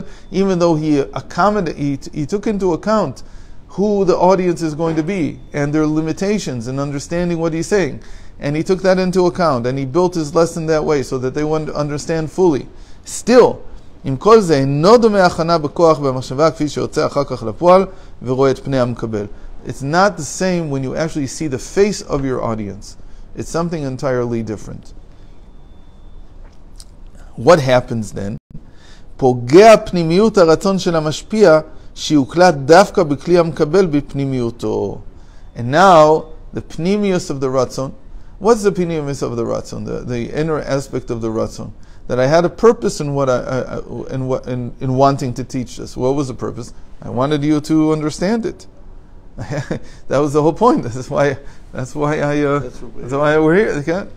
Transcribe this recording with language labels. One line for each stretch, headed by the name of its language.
English: Even though he took into account who the audience is going to be and their limitations and understanding what he's saying, and he took that into account and he built his lesson that way so that they wouldn't understand fully.
Hebrew: Still, עם כל זה, אינו דומה הכנה בכוח במחשבה כפי שיוצא אחר כך לפועל ורואה את פני המקבל.
English: It's not the same when you actually see the face of your audience. It's something entirely different. What happens then?
Hebrew: פוגע פנימיות הרצון של המשפיע שיוקלט דווקא בכלי המקבל בפנימיותו.
English: And now, the pnimius of the ratzon. What's the pnimius of the ratzon? The inner aspect of the ratzon. That I had a purpose in wanting to teach this. What was the purpose? I wanted you to understand it. That was the whole point. That's why we're here. Okay?